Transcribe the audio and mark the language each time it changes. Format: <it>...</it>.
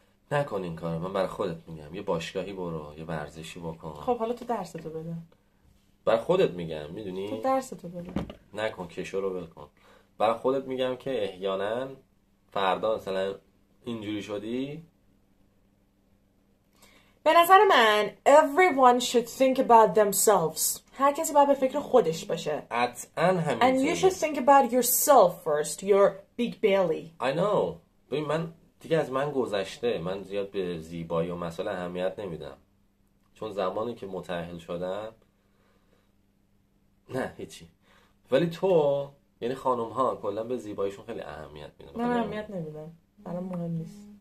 <fa>نکن این کارو، من برای خودت میگم. یه باشگاهی برو، یه ورزشی بکن. خب حالا تو درستو بده. برای خودت میگم، میدونی؟ تو درستو بده. نکن کشو رو بکن. برای خودت میگم که احیانا فردا مثلا اینجوری شدی. به نظر من</fa> <en>everyone should think about themselves.</en> <fa>هر کسی باید به فکر خودش باشه. قطعاً همینطوره.</fa> <en>And you should think about yourself first, your big belly. I know.</en> <fa>ببین من دیگه از من گذشته. من زیاد به زیبایی و مسئله اهمیت نمیدم. چون زمانی که متأهل شدم نه هیچی. ولی تو یعنی خانم ها کلا به زیباییشون خیلی اهمیت میدن. من اهمیت نمیدم. برام مهم نیست.</fa>